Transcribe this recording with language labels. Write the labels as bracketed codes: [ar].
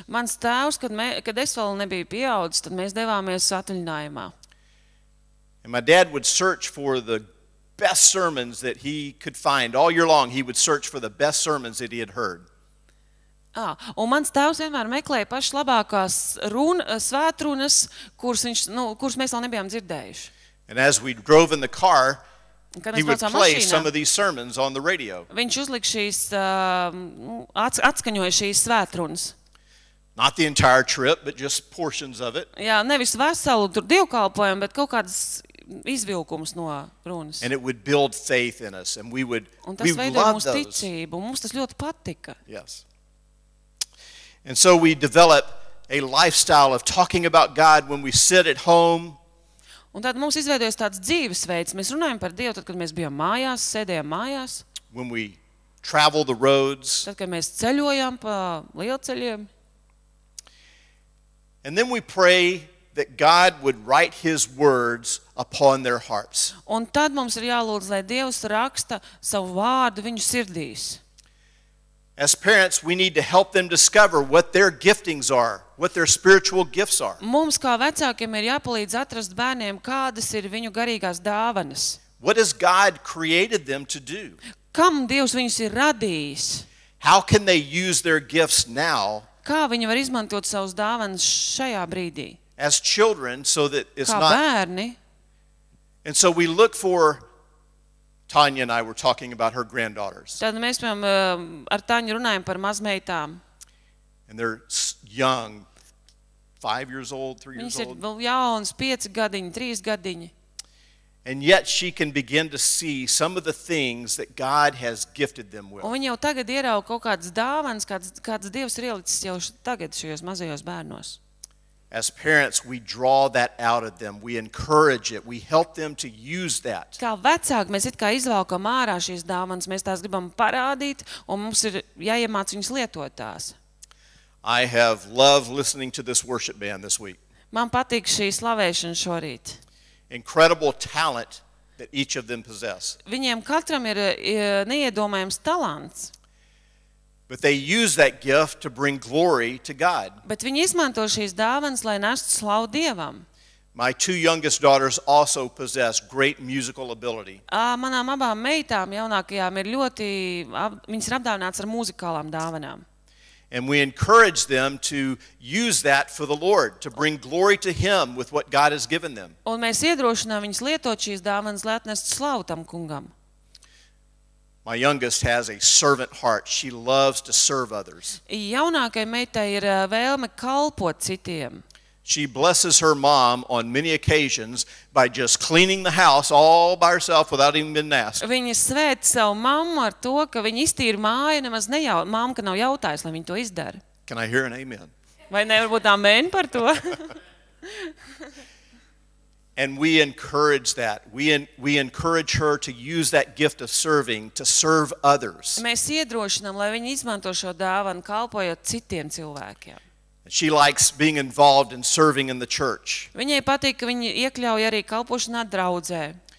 [lv] Mans tēvs, kad es vēl nebiju pieaudzis, tad mēs devāmies atvaļinājumā. [en] And my dad would search for the best sermons that he could find. All year long, he would search for the best sermons that he had heard. [lv] Un mans tēvs vienmēr meklēja pašas labākās svētrunas, kuras mēs vēl nebijām dzirdējuši. [en] And as we drove in the car, he would play some of these sermons on the radio. [lv] Viņš uzlika šīs, atskaņoja šīs svētrunas. [en] Not the entire trip, but just portions of it. [lv] Jā, nevis veselu tur divkalpojumu, bet kaut kādas izvilkumas no runas. [en] And it would build faith in us, and we would love those. [lv] Un tas veidoja mūsu ticību, un mums tas ļoti patika. [en] Yes. And so we develop a lifestyle of talking about God when we sit at home. [lv] Un tad mums izveidojas tāds dzīvesveids. Mēs runājam par Dievu, tad, kad mēs bijām mājās, sēdējām mājās. [en] When we travel the roads. [lv] Tad, kad mēs ceļojām pa lielceļiem. [en] And then we pray that God would write his words upon their hearts. [lv] Un tad mums ir jālūdz, lai Dievs raksta savu vārdu viņu sirdīs. [en] As parents, we need to help them discover what their giftings are, what their spiritual gifts are. [lv] Mums kā vecākiem ir jāpalīdz atrast bērniem, kādas ir viņu garīgās dāvanas. [en] What has God created them to do? [lv] Kam Dievs viņus ir radījis? [en] How can they use their gifts now? [lv] Kā viņi var izmantot savas dāvanas šajā brīdī? [en] As children, so that it's not... [lv] Kā bērni? [en] And so we look for... Tanya and I were talking about her granddaughters. [lv] Tad mēs ar Tanju runājam par mazmeitām. [en] And they're young, 5 years old, 3 years old. [lv] Viņas ir jaunas, 5 gadiņi, 3 gadiņi. [en] And yet she can begin to see some of the things that God has gifted them with. [lv] Un viņa jau tagad ierauga kaut kādas dāvanas, kāds Dievs ir ielicis jau tagad šajos mazajos bērnos. [en] As parents, we draw that out of them. We encourage it. We help them to use that. [lv] Kā vecāki, mēs it kā izvalkam ārā šīs dāvanas, mēs tās gribam parādīt, un mums ir jāiemāc viņus lietot tās. [en] I have loved listening to this worship band this week. [lv] Man patīk šī slavēšana šorīt. [en] Incredible talent that each of them possess. [lv] Viņiem katram ir neiedomājams talants. [en] But they use that gift to bring glory to God. [lv] Bet viņi izmanto šīs dāvanas, lai nestu slavu Dievam. [en] My two youngest daughters also possess great musical ability. [lv] Manām abām meitām jaunākajām ir ļoti, viņas ir apdāvinātas ar muzikālām dāvanām. [en] And we encourage them to use that for the Lord, to bring glory to Him with what God has given them. [lv] Un mēs iedrošinām viņus lietot šīs dāvanas, lai atnestu slavu tam kungam. [en] My youngest has a servant heart. She loves to serve others. [lv] Jaunākai meitai ir vēlme kalpot citiem. [en] She blesses her mom on many occasions by just cleaning the house all by herself without even being asked. [lv] Viņa svēt savu mammu ar to, ka viņa iztīra māju, nemaz nejau, mamma, ka nav jautājis, lai viņa to izdara. [en] Can I hear an amen? [lv] Vai nevar būt amen par to? [en] And we encourage that. We encourage her to use that gift of serving to serve others. [lv] Mēs iedrošinām, lai viņa izmanto šo dāvanu, kalpojot citiem cilvēkiem. [en] She likes being involved in serving in the church. [lv] Viņai patīk, ka viņa iekļauj arī kalpošanā draudzē.